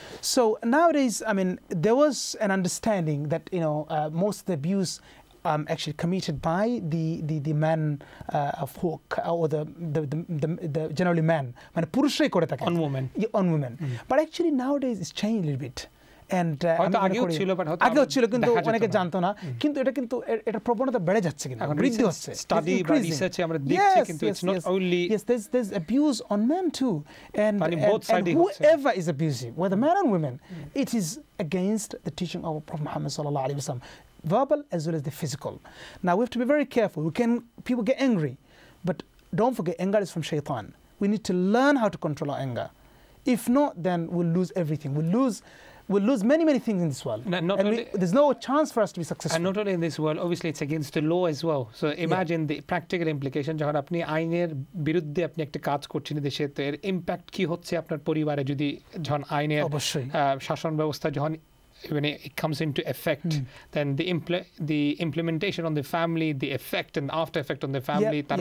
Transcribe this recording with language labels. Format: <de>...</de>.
<en>So nowadays, I mean, there was an understanding that you know most of the abuse actually committed by the men of hook or the generally men. On women. Yeah, on women. Mm. But actually nowadays it's changed a little bit. And</en> <bn>আগেও ছিল কিন্তু অনেকে জানতো না কিন্তু এটা কিন্তু এটা প্রবণতা বেড়ে যাচ্ছে কিন্তু বৃদ্ধি হচ্ছে স্টাডি বা রিসার্চে আমরা দেখছি কিন্তু</bn> <en>It's not only yes there's abuse on men too and whoever is abusive whether men or women it is against the teaching of Prophet Muhammad sallallahu alaihi wasallam verbal as well as the physical now we have to be very careful people get angry but don't forget anger is from shaitan we need to learn how to control our anger if not then we'll lose everything we'll lose many, many things in this world. There's no chance for us to be successful. And not only in this world, obviously it's against the law as well. So imagine the practical implication.</en> <bn>যখন আপনি আইনের বিরুদ্ধে আপনি একটা কাজ করছেন দেশে তো এর ইম্প্যাক্ট কি হচ্ছে আপনার পরিবারে যদি যখন আইনের শাসন ব্যবস্থা যখন</bn> <en>when it comes into effect then the implementation on the family</en> <bn>the effect and after effect on the family</bn>